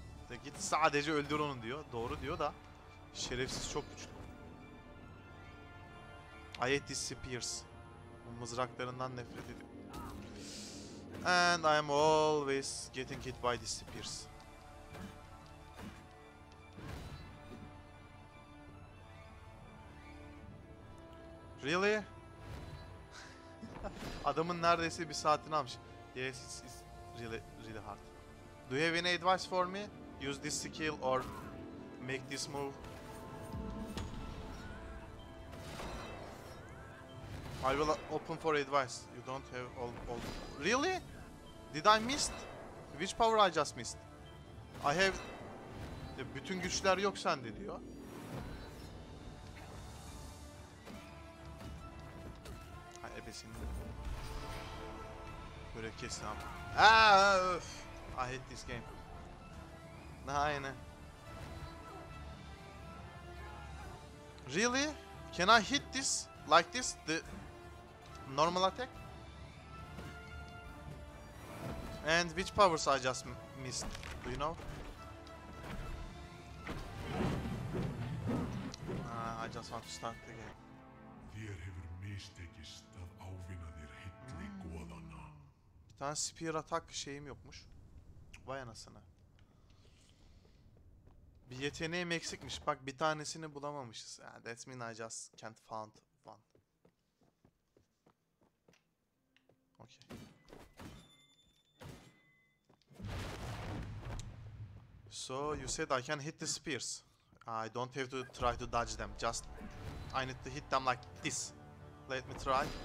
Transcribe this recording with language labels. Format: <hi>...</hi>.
<tr>De git sadece öldür onu diyor. Doğru diyor da şerefsiz çok güçlü.</tr> <en>I hate spears.</en> <tr>Bu mızraklarından nefret ediyorum.</tr> <en>And I am always getting hit by these spears. Really?</en> <tr>Adamın neredeyse bir saatini almış.</tr> <en>Yes, it's really, really hard. Do you have any advice for me? Use this skill or make this move? I will open for advice. You don't have all... Really? Did I miss? Which power I just missed? I have...</en> <tr>Bütün güçler yok sende diyor. Hayır, ebesin. Böyle kesin abi. Aaa öf.</tr> <en>I hate this game.</en> <tr>Daha yine.</tr> <en>Really? Can I hit this like this? The normal attack? And which powers I just missed? Do you know? I just want to start the game.</en> <is>Þér hefur mistekist að ávinna þér hitli goðana.</is> <tr>Bir tane spear attack şeyim yokmuş. Vay anasını. Bir yeteneğim eksikmiş. Bak bir tanesini bulamamışız.</tr> <en>Yani that mean I just can't found one. Okay. So you said I can hit the spears. I don't have to try to dodge them. Just I need to hit them like this. Let me try.</en>